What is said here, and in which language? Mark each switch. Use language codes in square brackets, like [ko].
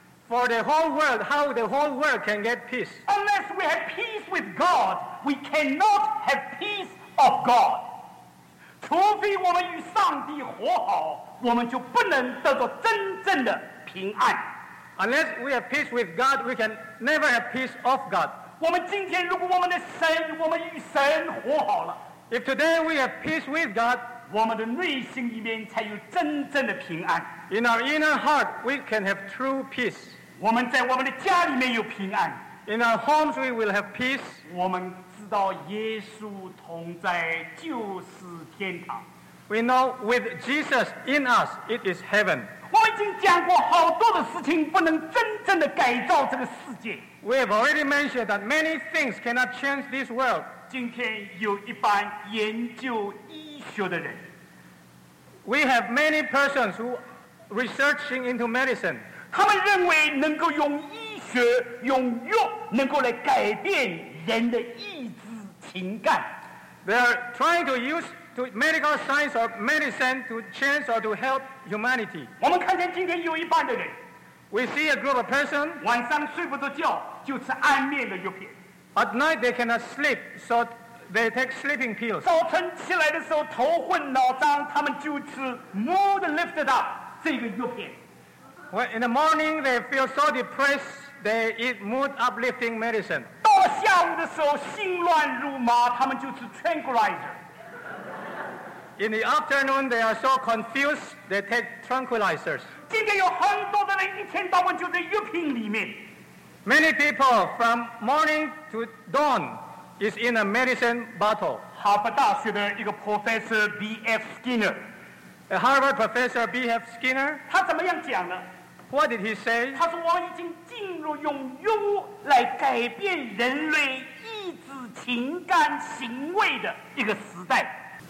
[en] For the whole world, how the whole world can get peace? Unless we have peace with God, we cannot have peace of God. [zh] 除非我们与上帝和好，我们就不能得到真正的平安。 [en] Unless we have peace with God, we can never have peace of God. [zh] 我们今天如果我们的神，我们与神和好了。 [en] If today we have peace with God, [zh] 我们的内心里面才有真正的平安。 [en] In our inner heart, we can have true peace. [zh] 我们在我们的家里面有平安。 [en] In our homes we will have peace. [zh] 我们知道耶稣同在就是天堂。 [en] We know with Jesus in us it is heaven. [zh] 我已经讲过好多的事情不能真正的改造这个世界。 [en] We have already mentioned that many things cannot change this world. [zh] 今天有一班研究医学的人。 [en] We have many persons who are researching into medicine. [zh] 他们认为能够用医学用药能够来改变人的意志情感。 [en] They are trying to use to medical science or medicine to change or to help humanity. [zh] 我们看见今天有一半的人。 [en] We see a group of persons [zh] 晚上睡不着觉就吃安眠的药片。 [en] At night they cannot sleep, so they take sleeping pills. [zh] 早晨起来的时候头昏脑胀，他们就吃 [en] mood lifted up [zh] 这个药片。 [en] Well, in the morning they feel so depressed, they eat mood uplifting medicine. [zh] 到了下午的时候心乱如麻，他们就吃 tranquilizer。 [en] In the afternoon, they are so confused, they take tranquilizers. [zh] 今天有很多的人一天到晚就在药品里面。 [en] Many people from morning to dawn is in a medicine bottle. [zh] 哈佛大学的一个 professor B.F. [en] Skinner. A Harvard professor B.F. Skinner. [zh] 他怎么样讲呢？ [en] What did he say? [zh] 他说我已经进入用药来改变人类意志、情感、行为的一个时代。